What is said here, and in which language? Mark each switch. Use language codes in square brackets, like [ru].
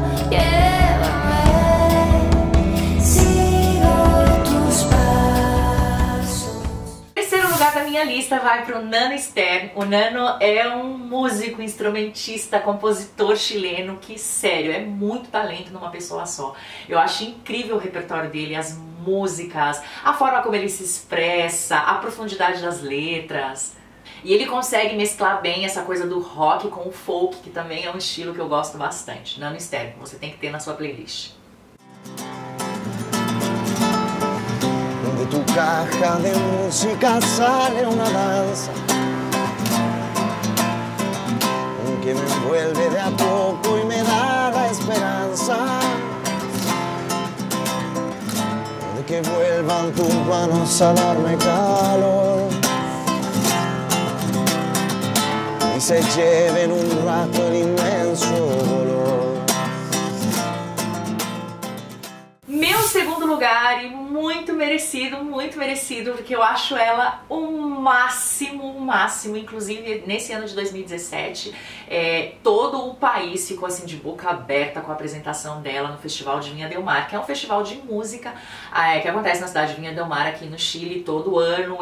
[es] Llévame, sigo tus passos. [pt] Terceiro lugar da minha lista vai pro Nano Stern. O Nano é um músico, instrumentista, compositor chileno que, sério, é muito talento numa pessoa só. Eu acho incrível o repertório dele, as músicas, a forma como ele se expressa, a profundidade das letras. E ele consegue mesclar bem essa coisa do rock com o folk, que também é um estilo que eu gosto bastante. Nano Stern, você tem que ter na sua playlist. [es] De tu caja de música sale una danza. Que me envuelve de a poco y me da la esperanza de que vuelvan tus manos a darme calor y se lleven un rato el inmenso dolor. [pt] Meu segundo lugar, e muito merecido, porque eu acho ela o máximo, o máximo. Inclusive, nesse ano de 2017, todo o país ficou assim de boca aberta com a apresentação dela no Festival de Viña del Mar, que é um festival de música que acontece na cidade de Viña del Mar, aqui no Chile, todo ano.